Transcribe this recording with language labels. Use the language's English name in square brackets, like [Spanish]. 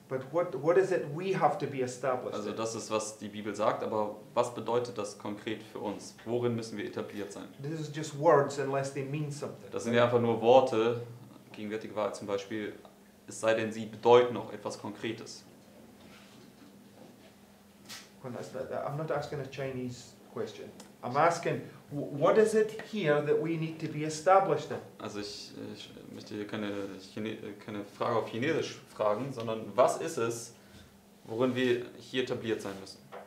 [English] But what is it we have to be established? [German] Also das ist, was die Bibel sagt, aber was bedeutet das konkret für uns? Worin müssen wir etabliert sein? [English] This is just words unless they mean something. [German] Das sind ja einfach nur Worte, gegenwärtige Wahrheit zum Beispiel, es sei denn, sie bedeuten noch etwas Konkretes. [English] I'm not asking a Chinese question. I'm asking, what is it here that we need to be established in? [German] Also ich möchte hier keine Frage auf Chinesisch fragen, sondern was ist es, worin wir hier etabliert sein müssen?